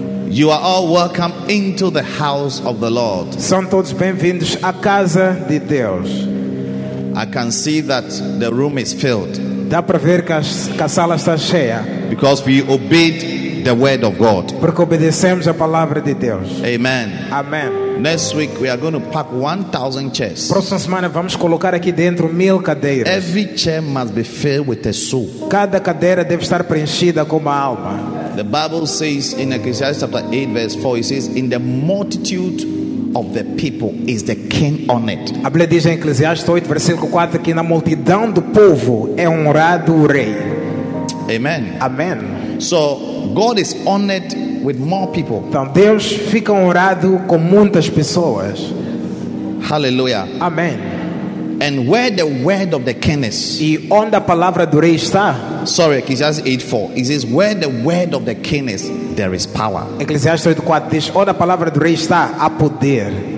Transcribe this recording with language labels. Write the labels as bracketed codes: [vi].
[en] You are all welcome into the house of the Lord. [pt] São todos bem-vindos à casa de Deus. [en] I can see that the room is filled. [pt] Dá para ver que a sala está cheia. [en] Because we obeyed the word of God. [pt] Porque obedecemos a palavra de Deus. [en] Amen. [pt] Amen. [en] Next week we are going to pack 1,000 chairs. [pt] Próxima semana vamos colocar aqui dentro 1,000 cadeiras. [en] Every chair must be filled with a soul. [pt] Cada cadeira deve estar preenchida com uma alma. [en] The Bible says in Ecclesiastes chapter 8 verse 4, it says, "In the multitude of the people is the king on it." [pt] A Bíblia diz em Eclesiastes 8 versículo 4 que na multidão do povo é honrado o rei. [en] Amen. [pt] Amen. [en] So God is honored with more people. [pt] Então Deus fica honrado com muitas pessoas. [en] Hallelujah. [pt] Amen. [en] And where the word of the king is. [pt] E onde a palavra do rei está? [en] Sorry, Ecclesiastes 8:4. It says, "Where the word of the king is, there is power." [pt] Eclesiastes 8:4 diz, onde a palavra do rei está, há poder.